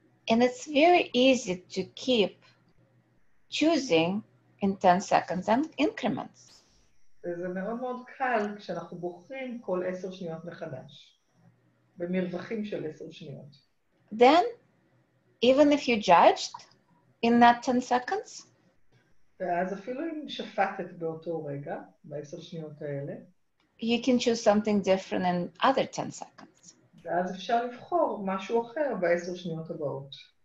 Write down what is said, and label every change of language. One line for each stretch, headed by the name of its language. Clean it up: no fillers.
English: And it's very easy to keep choosing in 10 seconds and increments.
Hebrew: זה מאוד מאוד קל כשאנחנו בוחרים כל 10 שניות מחדש, במרווחים של 10 שניות.
English: Then, even if you judged in that 10 seconds,
Hebrew: ואז אפילו אם שפטת באותו רגע, ב-10 שניות האלה,
English: you can choose something different in other 10 seconds.
Hebrew: ואז אפשר לבחור משהו אחר ב-10 שניות הבאות.